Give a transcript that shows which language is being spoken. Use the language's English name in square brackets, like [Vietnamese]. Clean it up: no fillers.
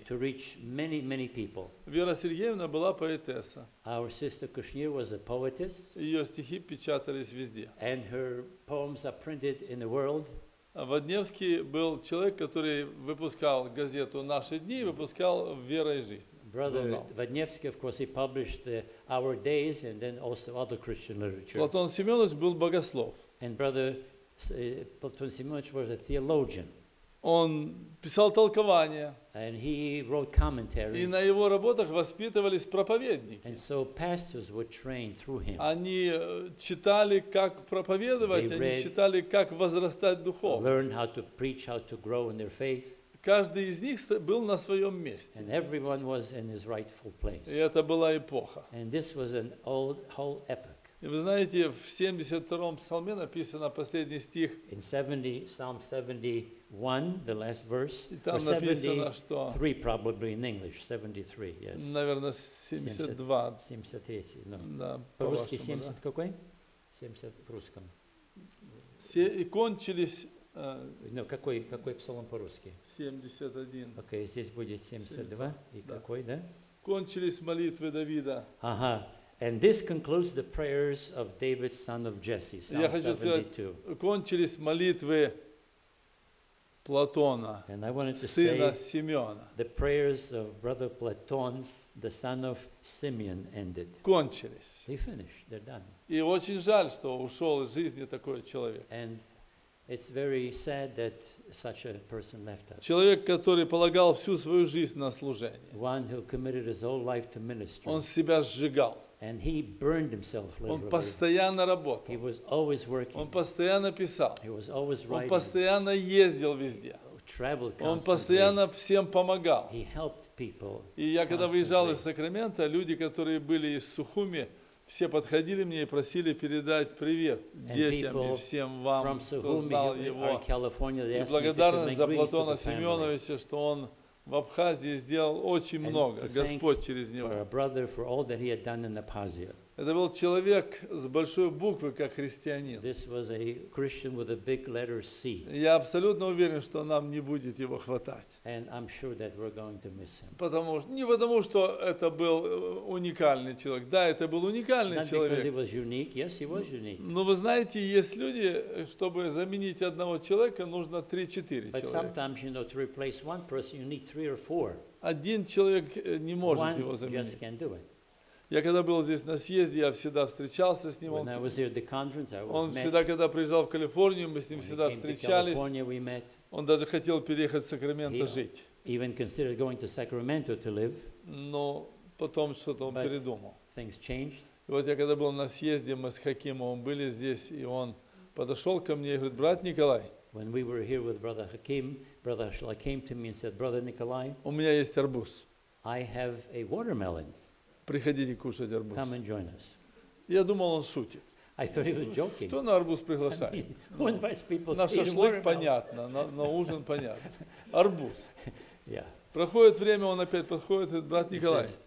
[Russian] Вера Сергеевна была поэтесса. [English] Our sister Kushnir was a poetess. [Russian] Ее стихи печатались везде. [English] And her poems are printed in the world. [Russian] Водневский был человек, который выпускал газету «Наши дни» и выпускал «Вера и жизнь». [English] Brother Vodnevsky, of course, he published «Our Days» and then also other Christian literature. [Russian] Платон Семенович был богослов. [English] And brother Платон Семенович was a theologian. [Russian] Он писал толкования. [English] And he wrote commentaries. [Russian] И на его работах воспитывались проповедники. [English] And so pastors were trained through him. [Russian] Они читали, как проповедовать, [English] they read, [Russian] они читали, как возрастать духовно. [English] Learned how to preach, how to grow in their faith. [Russian] Каждый из них был на своем месте. [English] And everyone was in his rightful place. [Russian] И это была эпоха. [English] And this was an old, whole epoch. [Russian] И вы знаете, в 72-м псалме написано последний стих. [English] In 70, Psalm 71, the last verse. [Russian] И там написано, что... [English] 73, probably in English, 73, yes. [Russian] Наверное, 72. [English] 73, no. [Russian] Да, по-русски 70, да. Какой? 70 в русском. Все и кончились... Ну, какой псалом по-русски? 71. Окей, здесь будет 72, 72. И да. Какой, да? Кончились молитвы Давида. Ага. [English] And this concludes the prayers of David, son of Jesse, Psalm 72. [Russian] Кончились молитвы Платона, сына Симеона. [English] The prayers of brother Platon, the son of Simeon, ended. [Russian] Кончились. [English] They finished. They're done. [Russian] И очень жаль, что ушел из жизни такой человек. [English] And it's very sad that such a person left us. [Russian] Человек, который полагал всю свою жизнь на служение. [English] One who committed his whole life to ministry. [Russian] Он себя сжигал. [English] And he burned himself literally. [Russian] Он постоянно работал. [English] He was always working. [Russian] Он постоянно писал. [English] He was always writing. [Russian] Он постоянно ездил везде. [English] He traveled constantly. [Russian] Он постоянно всем помогал. [English] He helped people. [Russian] И я когда выезжал из Сакраменто, люди, которые были из Сухуми, все подходили мне и просили передать привет детям и всем вам, кто знал его. И благодарность за Платона Семеновича, что он в Абхазии сделал очень много, Господь через него. [English] For a brother, for all that he had done in Abkhazia. [Russian] Это был человек с большой буквы, как христианин. [English] This was a Christian with a big letter C. [Russian] Я абсолютно уверен, что нам не будет его хватать. [English] And I'm sure that we're going to miss him. [Russian] Потому что не потому, что это был уникальный человек. Да, это был уникальный [English] Not [Russian] человек. [English] Because he was unique. Yes, he was unique. [Russian] Но вы знаете, есть люди, чтобы заменить одного человека, нужно 3-4 [English] But [Russian] человека. [English] But sometimes, you know, to replace one person, you need 3 or 4. [Russian] Один человек не может [English] one [Russian] его заменить. [English] Just can't do it. [Russian] Я когда был здесь на съезде, я всегда встречался с ним. Он всегда, когда приезжал в Калифорнию, мы с ним всегда встречались. Он даже хотел переехать в Сакраменто жить. Но потом что-то он передумал. И вот я когда был на съезде, мы с Хакимом были здесь, и он подошел ко мне и говорит, брат Николай, [English] when we were here with brother Hakim, brother Shla came to me and said, brother Nikolai, [Russian] у меня есть арбуз. [English] I have a watermelon. [Russian] Приходите кушать арбуз. [English] Come and join us. [Russian] Я думал, он шутит. [English] I thought he was joking. [Russian] Кто на арбуз приглашает? [English] I mean, who invites people to [Russian] на шашлык понятно, на ужин понятно. Арбуз. [English] Yeah. [Russian] Проходит время, он опять подходит, говорит, брат Николай,